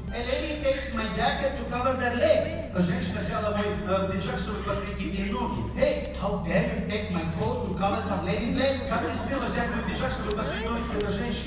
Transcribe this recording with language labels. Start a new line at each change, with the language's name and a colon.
English: A lady takes my jacket to cover their leg.
Russian: Женщина взяла мой пиджак, чтобы покрыть ей ноги.
English: Hey, how dare you take my coat to cover some lady's leg?
Russian: Как ты смела взять мой пиджак, чтобы покрыть ноги этой женщины?